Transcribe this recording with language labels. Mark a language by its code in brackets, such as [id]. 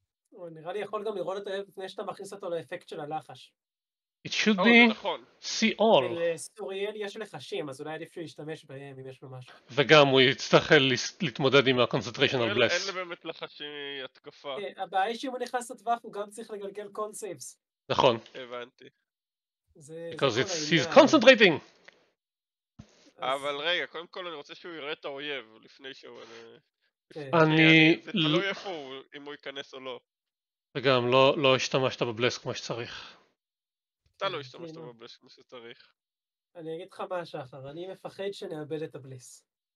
[he] הוא נראה לי יכול גם לראות את האויב לפני שאתה מכניס אותו לאפקט של הלחש. [en] It should be see all. [he] סוריאל יש לחשים, אז אולי עדיף להשתמש בהם אם יש לו משהו. וגם הוא יצטרך להתמודד עם ה-concentration of bless. אין לו באמת לחשים התקפה. הבעיה היא שאם הוא נכנס לטווח הוא גם צריך לגלגל concepts. נכון. הבנתי. [en] Because he's concentrating. [he] אבל רגע, קודם כל אני רוצה שהוא יראה את האויב לפני שהוא... אני... זה תלוי איפה הוא, אם הוא ייכנס או לא. וגם, לא השתמשת בבלס כמו שצריך. אתה לא השתמשת בבלס כמו שצריך. אני אגיד לך מה שחר, אני מפחד שנאבד את הבלס.